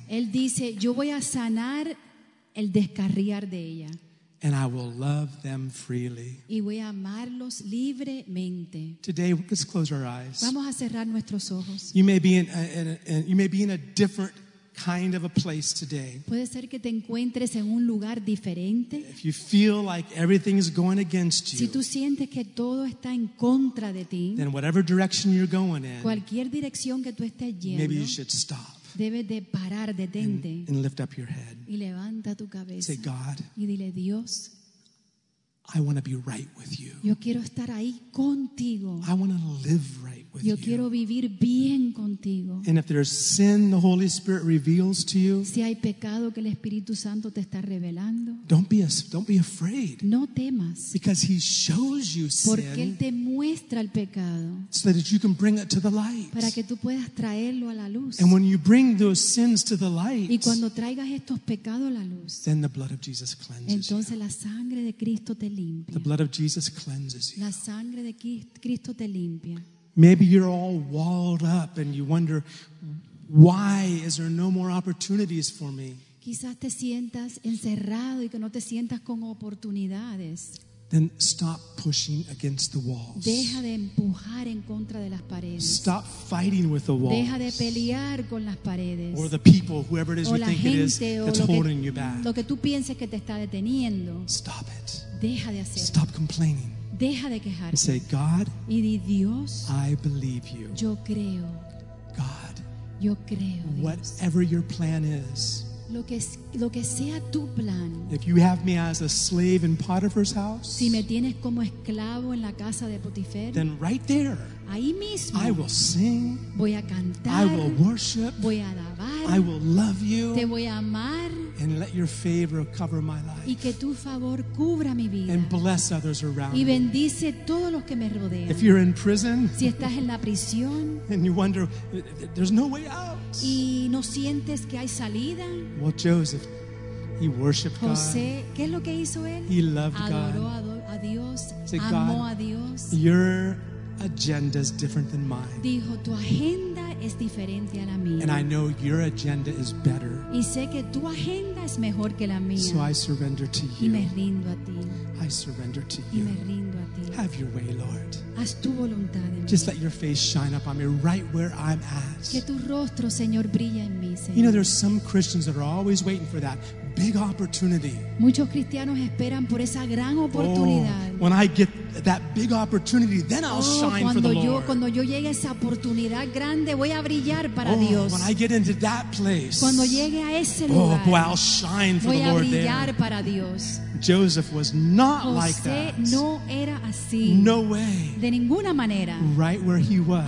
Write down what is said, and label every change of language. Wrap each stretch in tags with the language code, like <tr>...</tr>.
<es>Él dice, yo voy a sanar el descarriar de ella.</es> <en>And I will love them freely.</en> <es>Y voy a amarlos libremente.</es> <en>Today, let's close our eyes.</en> <es>Vamos a cerrar nuestros ojos.</es> <en>You may be in a different kind of a place today.</en> <es>Puede ser que te encuentres en un lugar diferente.</es> <en>If you feel like everything is going against you,</en> <es>si tú sientes que todo está en contra de ti,</es> <en>then whatever direction you're going in,</en> <es>cualquier dirección que tú estés yendo,</es> <en>maybe you should stop.</en> <es>Debes de parar, detente,</es> <en>and lift up your head.</en> <es>Y levanta tu cabeza.</es> <en>Say, God,</en> <es>y dile, Dios,</es> <en>I want to be right with you.</en> <es>Yo quiero estar ahí contigo.</es> <en>I want to live right with</en> <es>yo Yo quiero vivir bien contigo.</es> <en>And if there's sin the Holy Spirit reveals to you,</en> <es>si hay pecado que el Espíritu Santo te está revelando,</es> <en>don't be afraid.</en> <es>No temas.</es> <en>Because he shows you sin.</en> <es>Porque él te muestra el pecado.</es> <en>So that you can bring it to the light.</en> <es>Para que tú puedas traerlo a la luz.</es> <en>And when you bring those sins to the light,</en> <es>y cuando traigas estos pecados a la luz,</es> <en>then the blood of Jesus cleanses</en> <es>entonces you. Entonces la sangre de Cristo te</es> <en>the blood of Jesus cleanses you.</en> <es>La sangre de Cristo te limpia.</es> <en>Maybe you're all walled up and you wonder, why is there no more opportunities for me?</en> <es>Quizás te sientas encerrado y que no te sientas con oportunidades.</es> <en>Then stop pushing against the walls.</en> <es>Deja de empujar en contra de las paredes.</es> <en>Stop fighting with the walls.</en> <es>Deja de pelear con las paredes.</es> <en>Or the people, whoever it is you think</en> <es>gente,</es> <en>it is that's holding you back.</en> <es>Lo que tú pienses que te está deteniendo.</es> <en>Stop it.</en> <es>Deja de hacerlo.</es> <en>Stop complaining.</en> <es>Deja de quejarte.</es> <en>Say, God,</en> <es>y di, Dios,</es> <en>I believe you.</en> <es>Yo creo.</es> <en>God,</en> <es>yo creo, Dios.</es> <en>Whatever your plan is,</en> <es>lo que sea tu plan,</es> <en>if you have me as a slave in Potiphar's house,</en> <es>si me tienes como esclavo en la casa de Potifar,</es> <en>then right there,</en> <es>ahí mismo,</es> <en>I will sing,</en> <es>voy a cantar,</es> <en>I will worship,</en> <es>voy a alabar,</es> <en>I will love you,</en> <es>te voy a amar,</es> <en>and let your favor cover my life,</en> <es>y que tu favor cubra mi vida,</es> <en>and bless others around</en> <es>y bendice todos los que me rodean.</es> <en>If you're in prison,</en> <es>si estás en la prisión,</es> <en>and you wonder, there's no way out,</en> <es>y no sientes que hay salida,</es> <en>well, Joseph, he worshiped God.</en> <es>José, ¿qué es lo que hizo él?</es> <en>He loved</en> <es>adoró</es> <en>God.</en> <es>A Dios,</es> <en>say,</en> <es>amó</es> <en>God,</en> <es>a Dios.</es> <en>Your agenda is different than mine.</en> <es>Dijo, tu agenda es diferente a la mía.</es> <en>And I know your agenda is better.</en> <es>Y sé que tu agenda es mejor que la mía.</es> <en>So I surrender to you.</en> <es>Y me rindo a ti.</es> <en>I surrender to</en> <es>you. Y me rindo a ti.</es> <en>Have your way, Lord.</en> <es>Haz tu voluntad en mí.</es> <en>Just let your face shine up on me right where I'm at.</en> <es>Que tu rostro, Señor, brilla en mí, Señor.</es> <en>You know, there's some Christians that are always waiting for that big opportunity.</en> <es>Muchos cristianos esperan por esa gran oportunidad.</es> <en>Oh, when I get that big opportunity, then I'll shine for the Lord.</en> <es>Cuando yo llegue a esa oportunidad grande, voy a brillar para Dios.</es> <en>When I get into that place,</en> <es>cuando llegue a ese</es> <en>oh,</en> <es>lugar,</es> <en>boy, I'll shine for</en> <es>voy</es> <en>the Lord</en> <es>a brillar</es> <en>there.</en> <es>Para Dios.</es> <en>Joseph was not</en> <es>José</es> <en>like that.</en> <es>No era así.</es> <en>No way.</en> <es>De ninguna manera.</es> <en>Right where he was.</en>